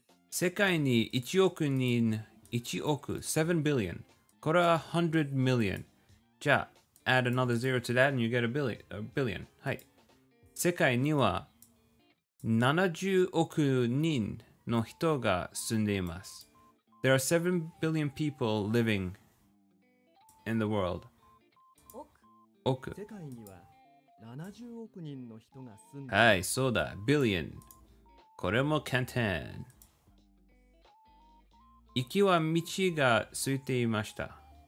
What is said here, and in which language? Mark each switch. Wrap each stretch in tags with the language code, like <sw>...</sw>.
<ja>世界に1億人、</ja> <en>7 billion。これは100 million。じゃあ、add another zero to that and you get a billion。はい。</en> <ja>世界には70億人の人が住んでいます。</ja> <en>There are 7 billion people living in the world。</en> <ja>億。億。世界には70億人の人が住んでいます。はい、そうだ。billion。 これも簡単。行きは道が空いていました。</ja>